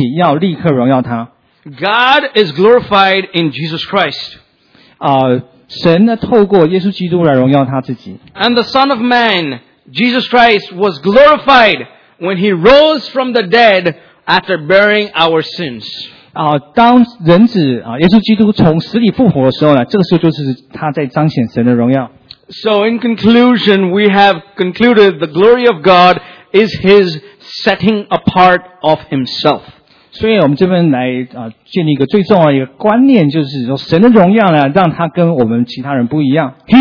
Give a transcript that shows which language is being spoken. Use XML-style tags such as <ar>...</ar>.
<zh>约翰福音13章第31节到34节，他出去以后，耶稣就说：“现在人子得了荣耀，神在人子身上得了荣耀，也要在自己身上荣耀人子，并且要立刻荣耀他。”</zh> <en>God is glorified in Jesus Christ.</en> <zh>神呢，透过耶稣基督来荣耀他自己。</zh> <en>And the Son of Man, Jesus Christ, was glorified when he rose from the dead after bearing our sins.</en> <zh>当人子耶稣基督从死里复活的时候呢，这个时候就是他在彰显神的荣耀。</zh> <en>So in conclusion, we have concluded the glory of God is His setting apart of Himself.</en> <zh>所以我们这边来建立一个最重要的一个观念，就是说神的荣耀呢，让他跟我们其他人不一样。</zh> <en>He</en>